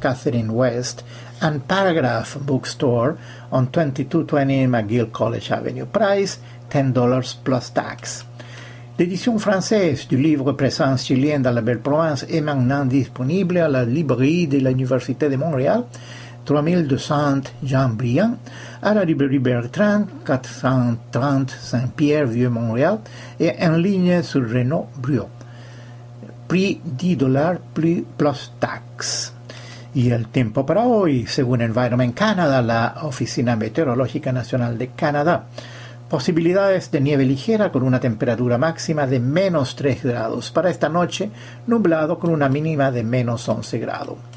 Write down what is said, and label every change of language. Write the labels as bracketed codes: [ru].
[en] Catherine West, and Paragraph Bookstore on 2220 McGill College Avenue. Price $10 plus tax. [fr] L'édition française du livre Présence chilienne dans la Belle Provence est maintenant disponible à la librairie de l'Université de Montréal, 3200 Jean Briand, à la librairie Bertrand, 430 Saint-Pierre-Vieux-Montréal, et en ligne sur Renaud Brio. Prix $10 plus tax. [es] Y el tiempo para hoy, según Environment Canada, la Oficina Meteorológica Nacional de Canadá. Posibilidades de nieve ligera con una temperatura máxima de menos 3 grados. Para esta noche, nublado con una mínima de menos 11 grados.